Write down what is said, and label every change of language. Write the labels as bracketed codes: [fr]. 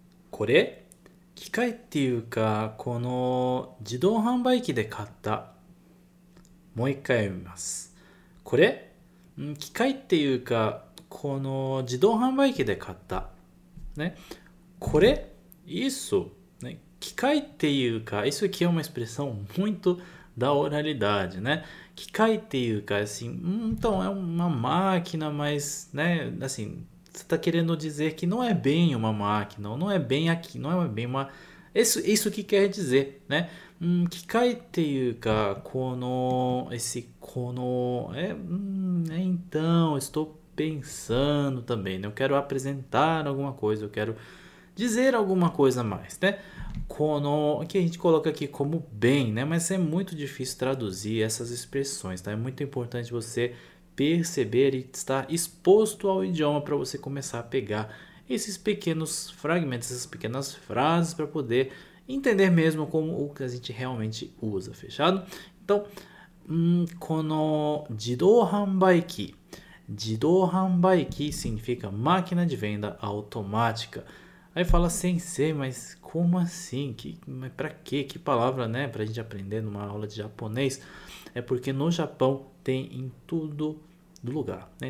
[ja] これ機械っていうか、この自動販売機で買った。もう一回読みます。これ、機械っていうか、この自動販売機で買った。ね。これ、 [pt] isso。 [ja] ね。機械っていうか、 [pt] isso aqui é uma expressão muito da oralidade, né? [ja] 機械っていうか、 [pt] assim, então é uma máquina, mas, né, assim, você está querendo dizer que não é bem uma máquina, não é bem aqui, não é bem uma Isso que quer dizer, né? [ja] 機械っていうか、この、 [pt] esse, この、é, então, estou pensando também, né? Eu quero apresentar alguma coisa, eu quero dizer alguma coisa mais, né? Quando, que a gente coloca aqui como bem, né? Mas é muito difícil traduzir essas expressões, tá? É muito importante você perceber e estar exposto ao idioma para você começar a pegar esses pequenos fragmentos, essas pequenas frases para poder entender mesmo como o que a gente realmente usa, fechado? Então, [ja] この自動販売機。 [pt] 自動販売機 significa máquina de venda automática. Aí fala sensei, mas como assim? Para quê? Que palavra, né? Para a gente aprender numa aula de japonês. É porque no Japão tem em tudo do lugar, né?